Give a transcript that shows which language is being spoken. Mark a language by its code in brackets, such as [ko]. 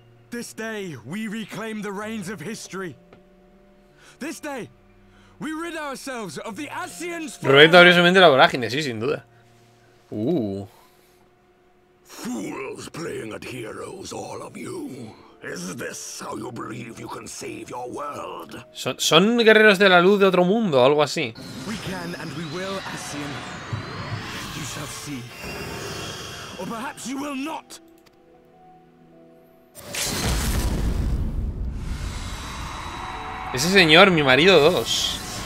[en] This day we reclaim the reins of history. This day we rid ourselves of the Ascians. [es] Roberto abrió su mente a la vorágine, sí, sin duda. [en] Fools playing at heroes, all of you. Is this how you believe you can save your world? [es] Son guerreros de la luz de otro mundo, algo así. [en] We can and we will, Ascian. You shall see. Or perhaps you will not. [es] Ese señor, mi marido 2.